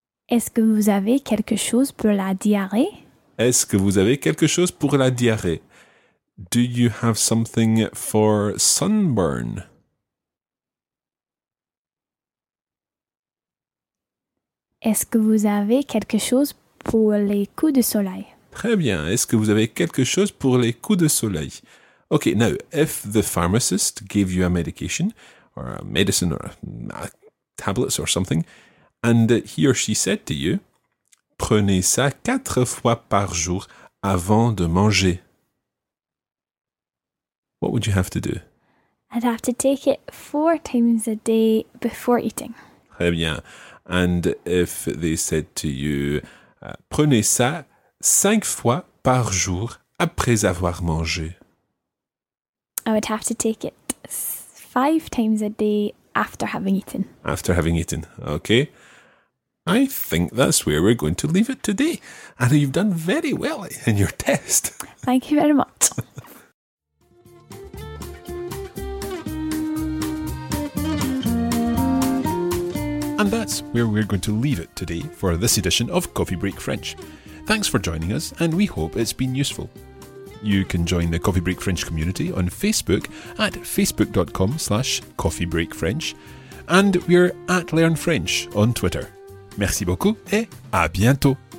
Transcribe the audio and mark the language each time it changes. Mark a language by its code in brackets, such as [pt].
[fr] Est-ce que vous avez quelque chose pour la diarrhée? Est-ce que vous avez quelque chose pour la diarrhée? [en] Do you have something for sunburn? [fr] Est-ce que vous avez quelque chose pour les coups de soleil? Très bien. Est-ce que vous avez quelque chose pour les coups de soleil? [en] Okay, now, if the pharmacist gave you a medication, or a medicine, or a tablets, or something, and he or she said to you, [fr] prenez ça 4 fois par jour avant de manger. [en] What would you have to do? I'd have to take it 4 times a day before eating. [fr] Très bien. [en] And if they said to you, [fr] prenez ça 5 fois par jour après avoir mangé. [en] I would have to take it 5 times a day after having eaten. After having eaten. Okay. I think that's where we're going to leave it today. Anna, you've done very well in your test. Thank you very much. And that's where we're going to leave it today for this edition of Coffee Break French. Thanks for joining us, and we hope it's been useful. You can join the Coffee Break French community on Facebook at facebook.com/coffeebreakfrench, and we're at Learn French on Twitter. [fr] Merci beaucoup et à bientôt.